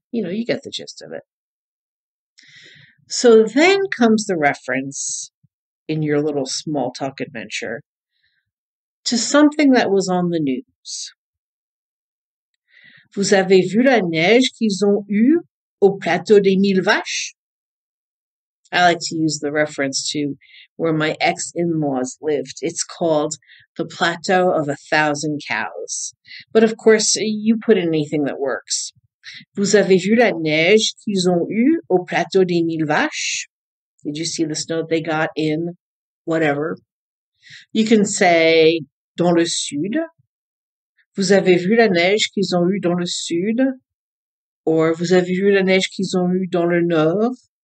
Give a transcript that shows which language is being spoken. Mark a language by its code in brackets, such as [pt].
[en] You know, you get the gist of it. So then comes the reference in your little small talk adventure to something that was on the news. [fr] "Vous avez vu la neige qu'ils ont eue au plateau des mille vaches?" [en] I like to use the reference to where my ex-in-laws lived. It's called the Plateau of 1,000 Cows. But of course, you put anything that works. [fr] "Vous avez vu la neige qu'ils ont eue au plateau des mille vaches?" [en] Did you see the snow that they got in whatever? You can say, [fr] "Dans le sud." "Vous avez vu la neige qu'ils ont eue dans le sud?" Or, "Vous avez vu la neige qu'ils ont eue dans le nord?"